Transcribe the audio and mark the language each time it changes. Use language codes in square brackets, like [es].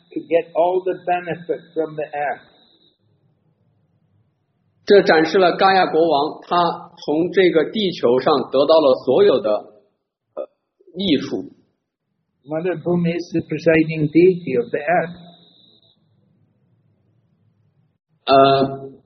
[en] To get all the benefit from the earth. [zh] 这展示了 Gaya 国王他从这个地球上得到了所有的益处。 [en] Mother Bhumi is the presiding deity of the earth.